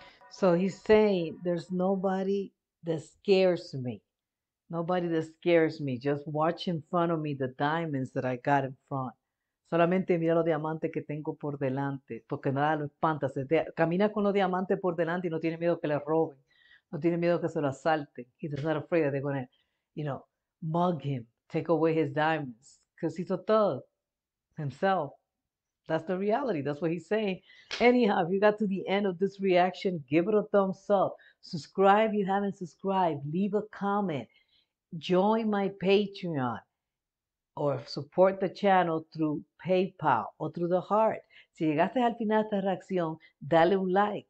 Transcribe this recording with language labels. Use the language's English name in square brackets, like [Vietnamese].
[English] So he's saying, there's nobody that scares me. Nobody that scares me. Just watch in front of me the diamonds that I got in front. [Spanish] Solamente mira los diamantes que tengo por delante. Porque nada lo espanta. Camina con los diamantes por delante y no tiene miedo que le roben. No tiene miedo que se lo asalten. [English] He's not afraid that they're going to, you know, mug him. Take away his diamonds. Because he's a thug himself. That's the reality. That's what he's saying. Anyhow, if you got to the end of this reaction, give it a thumbs up. Subscribe if you haven't subscribed. Leave a comment. Join my Patreon. Or support the channel through PayPal or through the heart. [Spanish] Si llegaste al final de esta reacción, dale un like.